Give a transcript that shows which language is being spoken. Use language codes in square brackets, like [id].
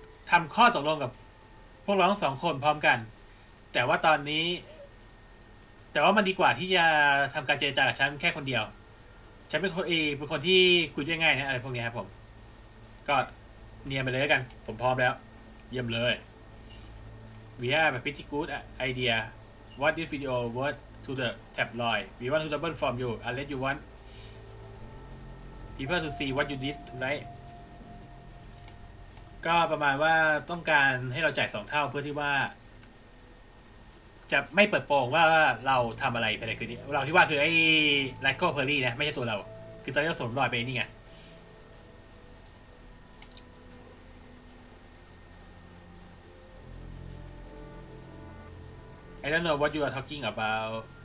[th] ทำข้อตกลงกับพวกเราทั้งสองคนพร้อมกันแต่ว่าตอนนี้แต่ว่ามันดีกว่าที่จะทำการเจรจากับฉันแค่คนเดียวฉันเป็นคนที่คุยง่ายนะอะไรพวกนี้ครับผมก็เนียนไปเลยกันผมพร้อมแล้วเยี่ยมเลย [en] We have a pretty good idea. What this video worth to the tabloid? We want to double from you unless you want people to see what you did tonight. [th] ก็ประมาณว่าต้องการให้เราจ่าย2เท่าเพื่อที่ว่าจะไม่เปิดโปงว่าเราทำอะไรไปในคืนนี้เราที่ว่าคือไอ้ไลโก้เพอร์รี่นะไม่ใช่ตัวเราคือตอนนี้เราสมรอยไปนี่ไง [en] I don't know what you are talking about.